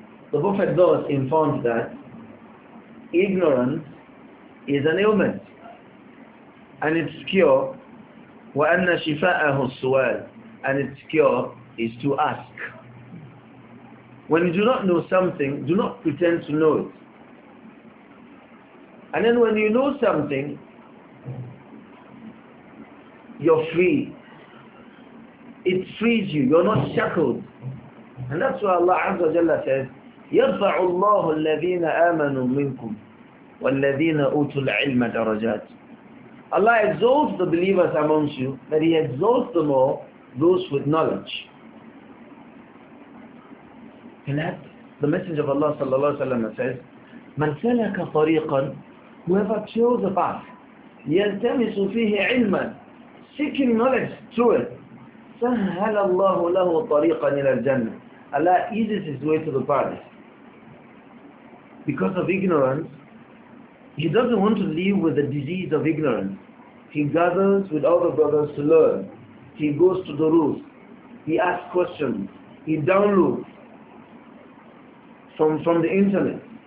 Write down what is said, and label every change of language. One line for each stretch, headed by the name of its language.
English: The prophet thus informed that ignorance is an ailment and its cure,
Arabic: وأن شفاءه السؤال,
English: and its cure is to ask. When you do not know something, do not pretend to know it. And then when you know something, you're free. It frees you. You're not shackled. And that's why Allah Azza wa Jalla says,
Arabic: يرفع الله الذين آمنوا منكم والذين أوتوا العلم درجات.
English: Allah exalts the believers amongst you, but He exalts them all, those with knowledge. And that, the Messenger of Allah
Arabic: صلى الله عليه وسلم
English: says,
Arabic: من سلك طريقا,
English: whoever chose a path,
Arabic: يلتمس فيه علما,
English: seeking knowledge through it,
Arabic: سهل الله له طريقا إلى الجنة.
English: Allah eases His way to the paradise. Because of ignorance, he doesn't want to live with the disease of ignorance. He gathers with other brothers to learn. He goes to the roof. He asks questions. He downloads from the internet.